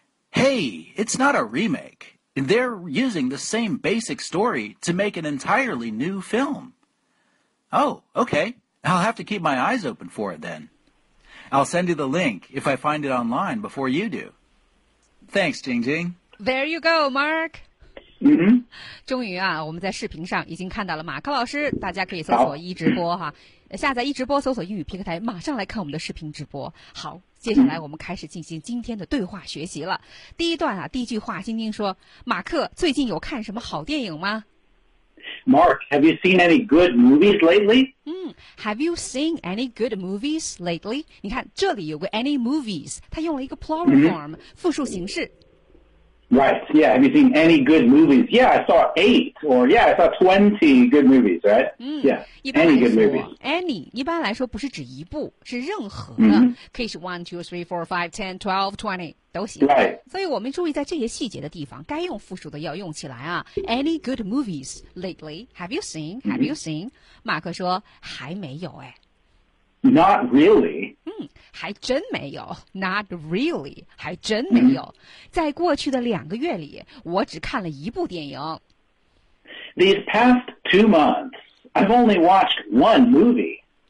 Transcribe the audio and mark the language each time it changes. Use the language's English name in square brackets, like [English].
[English] Hey, it's not a remake. They're using the same basic story to make an entirely new film. Oh, okay. I'll have to keep my eyes open for it then. I'll send you the link if I find it online before you do. Thanks, Jing Jing. There you go, Mark. Mm-hmm. [Chinese] 终于啊，我们在视频上已经看到了马克老师，大家可以搜索一直播哈，下载一直播，搜索英语平台，马上来看我们的视频直播。好，接下来我们开始进行今天的对话学习了。第一段啊，第一句话，晶晶说：“马克，最近有看什么好电影吗 [English] ？”Mark, have you seen any good movies lately? Have you seen any good movies lately? [Chinese] 你看这里有个 any movies， 它用了一个 plural form、复数形式。 [English] Right. Yeah. Have you seen any good movies? Yeah, I saw 8 or yeah, I saw 20 good movies. Right. Yeah. Any good movies? Any. [Chinese] 一般来说不是指一部，是任何的，可以是 1, 2, 3, 4, 5, 10, 12, 20都行。 [English] Right. [Chinese] 所以我们注意在这些细节的地方，该用复数的要用起来啊。 [English] Any good movies lately? Have you seen? Have you seen? [Chinese] 马克说还没有哎。 [English] Not really. [Chinese] 还真没有 [English] Not really. [Chinese] 还真没有、在过去的两个月里我只看了一部电影 [English] These past 2 months I've only watched one movie.